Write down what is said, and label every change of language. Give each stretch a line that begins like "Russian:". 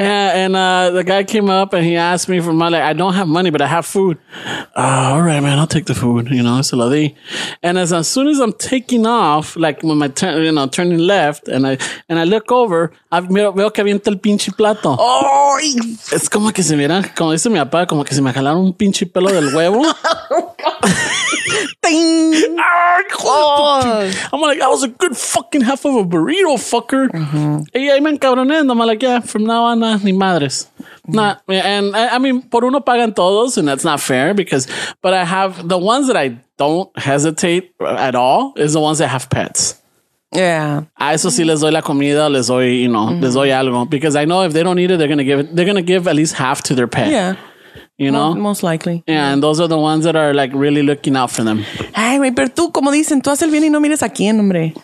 English: Yeah. And the guy came up and he asked me for money. I don't have money, but I have food. All right, man. I'll take the food. You know, it's a lovely. And as soon as I'm taking off, like when my turn, you know, turning left, and I look over,
Spanish: veo que avienta el pinche plato.
English: Oh,
Spanish: es como que se miran, como dice mi papá, como que se me jalaron un pinche pelo del huevo. Ding.
English: I'm like, that was a good fucking half of a burrito, fucker. Mm-hmm.
Spanish: Y ahí me encabronando.
English: I'm like, yeah, from now on,
Spanish: ni madres.
English: Mm-hmm. Nah, and I mean,
Spanish: por uno pagan todos,
English: and that's not fair but I have the ones that I don't hesitate at all is the ones that have pets. Yeah.
Spanish: A eso sí les doy la comida, les doy,
English: you know,
Spanish: mm-hmm. les doy algo.
English: Because I know if they don't eat it, they're going to give at least half to their pet. Yeah. You know? Most likely. Yeah, and those are the ones that are, like, really looking out for them.
Spanish: Ay, güey, pero tú, como dicen, tú haces el bien y no mires a quién, hombre.